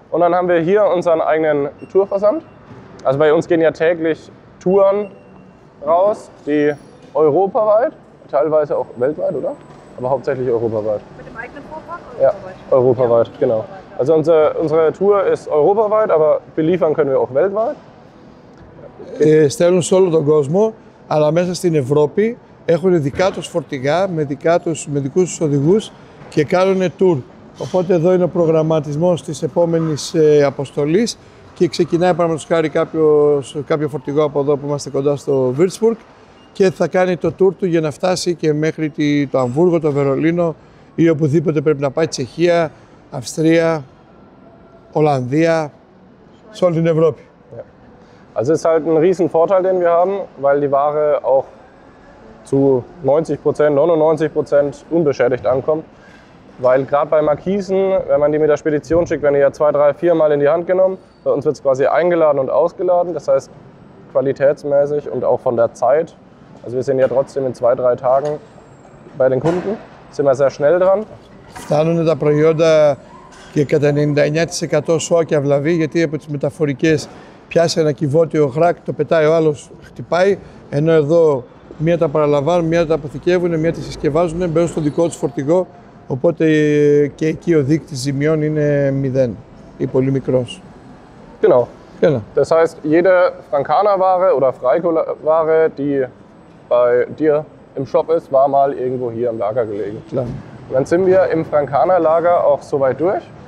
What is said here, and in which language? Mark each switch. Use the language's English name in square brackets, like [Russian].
[German] Und dann haben wir hier unseren eigenen Tourversand. Also bei uns gehen ja täglich Touren raus, die europaweit, teilweise auch weltweit, oder? Aber hauptsächlich europaweit. Mit dem eigenen Vorfahrt oder europaweit? Ja, europaweit, genau. Also unsere Tour ist europaweit, aber beliefern können wir auch weltweit. Stellen uns solo den Kosmo, aber mehr als in Europa. [Greek] έχουν δικά τους φορτηγά με, δικούς τους οδηγούς και κάνουν tour. Οπότε εδώ είναι ο προγραμματισμός της επόμενης αποστολής και ξεκινάει παραδείγματος χάρη κάποιο φορτηγό από εδώ που είμαστε κοντά στο Würzburg και θα κάνει το tour του για να φτάσει και μέχρι το Αμβούργο, το Βερολίνο ή οπουδήποτε πρέπει να πάει, Τσεχία, Αυστρία, Ολλανδία, σε όλη την Ευρώπη. [German] Also ist halt ein riesen Vorteil, den wir haben, weil die Ware auch zu 90%, 99% unbeschädigt ankommt. Weil gerade bei Markisen, wenn man die mit der Spedition schickt, werden die ja 2, 3, 4 Mal in die Hand genommen. Bei uns wird es quasi eingeladen und ausgeladen. Das heißt, qualitätsmäßig und auch von der Zeit. Also wir sind ja trotzdem in 2, 3 Tagen bei den Kunden. Sind wir sehr schnell dran. [Greek] Φτάνουν τα προϊόντα και κατά 99% σόκια βλαβή, γιατί από τις μεταφορικές πιάσει ένα κυβότιο χράκ, το πετάει ο άλλος, χτυπάει. Ενώ εδώ μία τα παραλαμβάνουν, μία τα αποθηκεύουν, μία τη συσκευάζουν, μπαίνουν στο δικό τους φορτηγό. Οπότε και εκεί ο δείκτης ζημιών είναι μηδέν ή πολύ μικρός. [German] Genau. Das heißt, jede Frankana-Ware oder Freiko-Ware, die bei dir im Shop ist, war mal irgendwo hier im Lager gelegen. Klar. Dann sind wir im Frankana-Lager auch soweit durch.